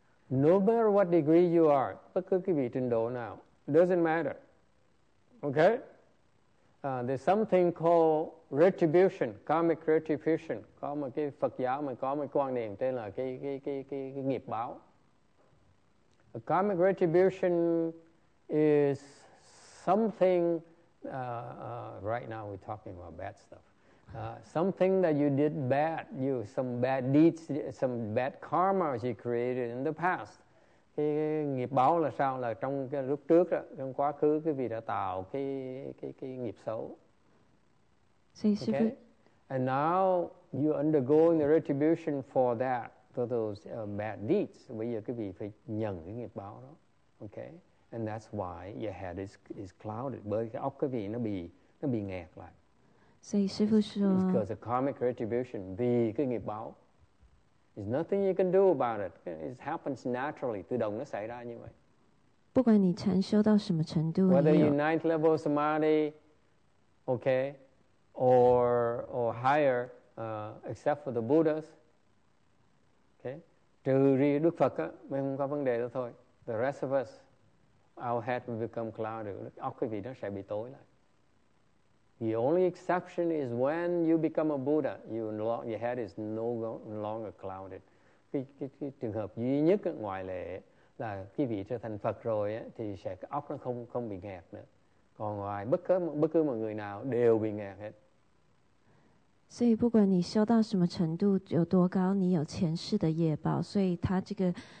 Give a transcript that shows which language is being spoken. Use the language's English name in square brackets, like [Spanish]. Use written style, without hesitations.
[English] No matter what degree you are, [Vietnamese] bất cứ cái vị trình độ nào, [English] doesn't matter. Okay? There's something called retribution, karmic retribution. [Vietnamese] Có một cái Phật giáo mà có một quan niệm tên là cái nghiệp báo. [English] A karmic retribution is something, right now we're talking about bad stuff. Something that you did bad, you some bad deeds, some bad karma you created in the past. [Vietnamese] Cái nghiệp báo là sao? Là trong cái lúc trước đó, trong quá khứ cái vị đã tạo cái nghiệp xấu. [English] Okay? And now you're undergoing the retribution for that, for those bad deeds. [Vietnamese] Bây giờ cái vị phải nhận cái nghiệp báo đó. [English] Okay? And that's why your head is clouded. [Vietnamese] Bởi cái óc cái vị nó bị nghẹt lại. [Chinese] So, 师父说, [English] it's because of karmic retribution. [Vietnamese] Vì cái nghiệp báo. [English] There's nothing you can do about it. It happens naturally. [Vietnamese] Tự động nó xảy ra như vậy. [Chinese] 不管你禅修到什么程度, [English] whether you're ninth level samadhi, okay, or higher, except for the Buddhas, okay, [Vietnamese] trừ riêng Đức Phật á, mới không có vấn đề đó thôi. [English] The rest of us, our head will become clouded. [Vietnamese] Óc quý vị nó sẽ bị tối lại. [English] The only exception is when you become a Buddha, your head is no longer clouded. [Vietnamese] Cái trường hợp duy nhất ngoại lệ là cái vị trở thành Phật rồi ấy, thì sẽ cái óc nó không bị nghẹt nữa. Còn ngoài bất cứ một người nào đều bị nghẹt hết. [Chinese] 所以不管你修到什么程度，有多高，你有前世的业报，所以他这个。